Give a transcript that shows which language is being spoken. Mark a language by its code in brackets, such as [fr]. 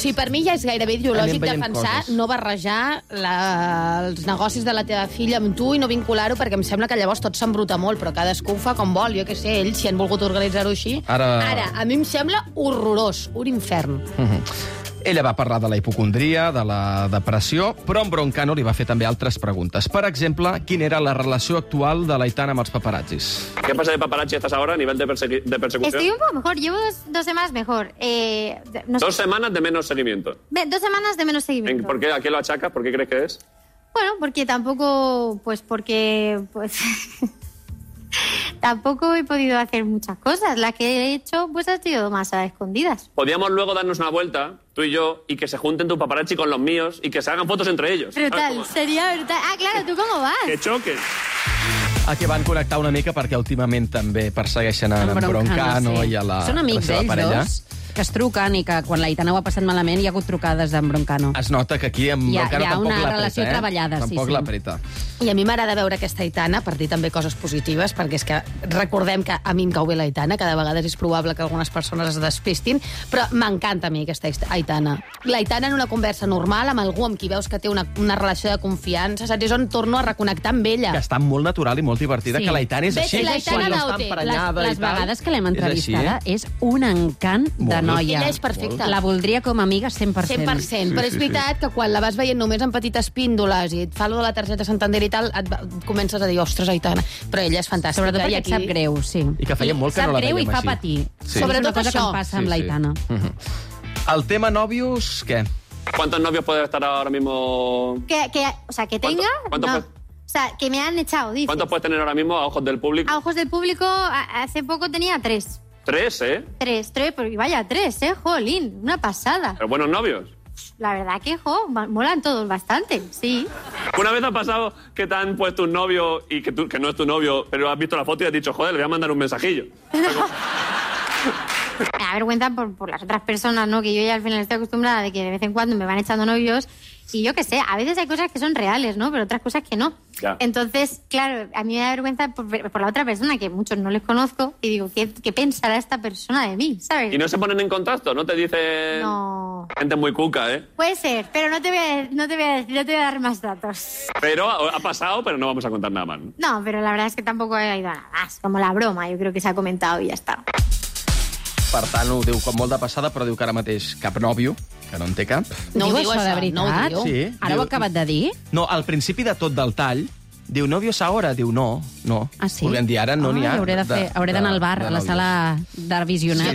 [ca] Sí, per mi ja és gairebé ideològic defensar coses. No barrejar els negocis de la teva filla amb tu i no vincular-ho, perquè em sembla que llavors tot s'embruta molt, però cadascú ho fa com vol, jo què sé, ells, si han volgut organitzar-ho així. Ara, a mi em sembla horrorós, un infern. Ella va parlar de la hipocondria, de la depressió, però en Broncano li va fer també altres preguntes. Per exemple, quina era la relació actual de l'Aitana amb els paparazzis? [es] ¿Qué pasa de paparazzi estás ahora a nivel de persecución? Estoy un poco mejor, llevo dos semanas mejor. Dos semanas de menos seguimiento. Dos semanas de menos seguimiento. ¿Por qué? ¿A qué lo achacas? ¿Por qué crees que es? Bueno, porque tampoco... Pues porque... Pues... Tampoco he podido hacer muchas cosas. La que he hecho, pues ha sido más a escondidas. Podríamos luego darnos una vuelta, tú y yo, y que se junten tus paparazzi con los míos y que se hagan fotos entre ellos. Brutal, sería brutal. Ah, claro, ¿tú cómo vas? Que choquen. [ca] A què van connectar una mica, perquè últimament també persegueixen en Broncano i a la seva parella. Són amics ells dos, que es truquen i que quan l'Aitana ho ha passat malament hi ha hagut trucades d'en Broncano. Es nota que aquí en Broncano tampoc l'apreta. Hi ha una relació treballada, sí. Tampoc l'apreta. I a mi m'agrada veure aquesta Aitana, per dir també coses positives, perquè és que recordem que a mi em cau bé l'Aitana, que de vegades és probable que algunes persones es despistin, però m'encanta a mi aquesta Aitana. L'Aitana en una conversa normal, amb algú amb qui veus que té una relació de confiança, saps? És on torno a reconnectar amb ella. Que està molt natural i molt divertida, que l'Aitana és així. Les vegades que l'hem entrevistada és un encant de noia. Ella és perfecta. La voldria com a amiga 100%. 100%. Però és veritat que quan la vas veient només en petites píndoles i et fa allò de la targeta Santander, i tal, et comences a dir, ostres, Aitana. Però ella és fantàstica. Sobretot perquè aquí... et sap greu, sí. I que feia molt que no la veiem així. Sap greu i fa patir. Sí. Sobretot això. És una cosa això. Que em passa amb l'Aitana. Mm-hmm. El tema nòvios, què? [es] ¿Cuántos novios puede estar ahora mismo...? Que, o sea, que tenga... ¿Cuántos no. O sea, que me han echado, dices. ¿Cuántos puedes tener ahora mismo a ojos del público? A ojos del público, hace poco tenía tres. ¿Tres, eh? Tres, pero vaya, tres, ¿eh? Jolín, una pasada. ¿Pero buenos novios? La verdad que, jo, molan todos bastante, sí. ¿Una vez ha pasado que te han puesto un novio y que, tú, que no es tu novio, pero has visto la foto y has dicho, joder, le voy a mandar un mensajillo? Me da vergüenza por las otras personas, ¿no? Que yo ya al final estoy acostumbrada de que de vez en cuando me van echando novios. Y yo qué sé, a veces hay cosas que son reales, ¿no? Pero otras cosas que no. Ya. Entonces, claro, a mí me da vergüenza por la otra persona, que muchos no les conozco, y digo, ¿qué pensará esta persona de mí? ¿Sabes? ¿Y no se ponen en contacto? ¿No te dicen...? No. Gente muy cuca, ¿eh? Puede ser, pero no te voy a dar más datos. Pero ha pasado, pero no vamos a contar nada más. No, pero la verdad es que tampoco ha ido a nada más. Como la broma, yo creo que se ha comentado y ya está. [ca] Per tant, ho diu com molt de passada, però diu que ara mateix cap nòvio, que no en té cap. No ho diu això, de veritat? No ho diu. Sí. Ara diu... ho ha acabat de dir? No, al principi de tot del tall, diu, [es] nòvios ahora? [ca] Diu, no, no. Ah, sí? Volíem dir, ara no n'hi ha. Hauré de fer, hauré d'anar al bar, a la sala d'art visionat.